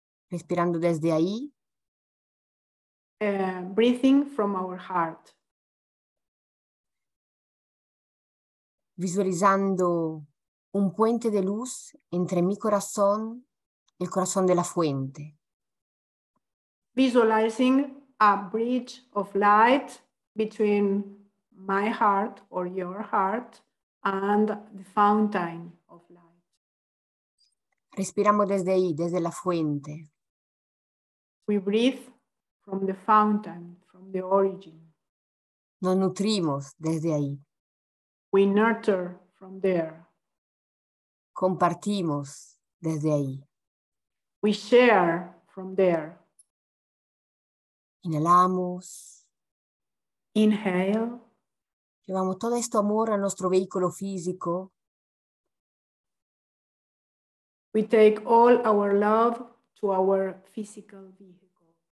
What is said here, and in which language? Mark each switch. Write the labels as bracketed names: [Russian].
[Spanish] Respirando desde ahí. [English] Breathing from our heart. [Spanish] Visualizando un puente de luz entre mi corazón y el corazón de la fuente. [English] Visualizing a bridge of light between my heart or your heart and the fountain of light. [Spanish] Respiramos desde ahí, desde la fuente. [English] We breathe from the fountain, from the origin. [Spanish] Nos nutrimos desde ahí. [English] We nurture from there. [Spanish] Compartimos desde ahí. [English] We share from there. [Spanish] Inhalamos. [English] Inhale. [Spanish] Llevamos todo este amor a nuestro vehículo físico. [English] We take all our love to our physical vehicle.